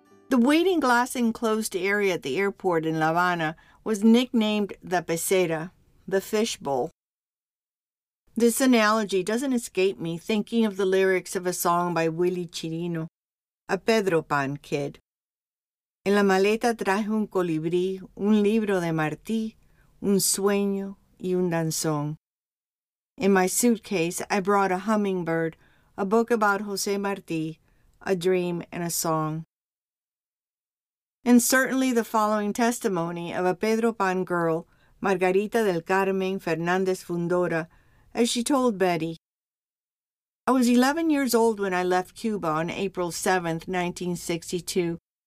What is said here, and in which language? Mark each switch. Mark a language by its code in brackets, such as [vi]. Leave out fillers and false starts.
[en] The waiting glass enclosed area at the airport in La Habana was nicknamed the pecera, the fishbowl. This analogy doesn't escape me thinking of the lyrics of a song by Willie Chirino, a Pedro Pan kid. [es] En la maleta traje un colibrí, un libro de Martí, un sueño y un danzón. [en] In my suitcase, I brought a hummingbird, a book about José Martí, a dream and a song. And certainly the following testimony of a Pedro Pan girl, Margarita del Carmen Fernandez Fundora, as she told Betty, I was 11 years old when I left Cuba on April 7, 1962.